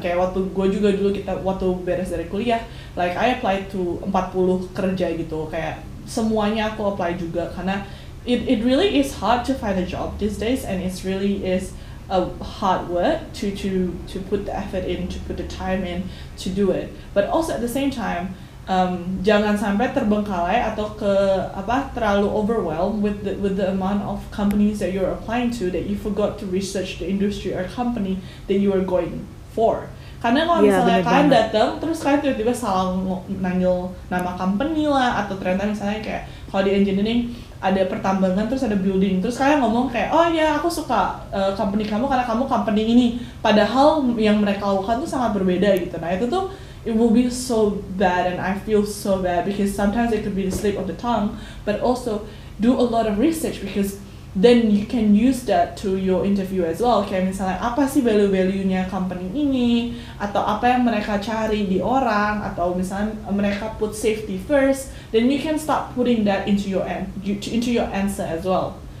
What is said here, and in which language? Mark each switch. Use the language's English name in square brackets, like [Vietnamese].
[Indonesian] Kayak waktu gue juga dulu, kita waktu beres dari kuliah, [English] like, I applied to 40 [Indonesian] kerja gitu, kayak semuanya aku apply juga, karena [English] it really is hard to find a job these days, and it really is a hard work to put the effort in, to put the time in to do it. But also at the same time, [Indonesian] jangan sampai terbengkalai atau terlalu [English] overwhelmed with the amount of companies that you're applying to, that you forgot to research the industry or company that you are going for. [Indonesian] Karena kalau misalnya kalian datang terus kalian tiba-tiba salah nanggil nama company lah, atau ternyata misalnya kayak kalau di engineering ada pertambangan terus ada building, terus kalian ngomong kayak, oh ya aku suka company kamu karena kamu company ini, padahal yang mereka lakukan tuh sangat berbeda gitu. Nah itu tuh, [English] it will be so bad, and I feel so bad, because sometimes it could be the slip of the tongue. But also do a lot of research, because then you can use that to your interview as well. [Indonesian] Kayak misalnya, apa sih value-value-nya company ini, atau apa yang mereka cari di orang, atau misalnya mereka put safety first, [English] then you can start putting that into your answer as well.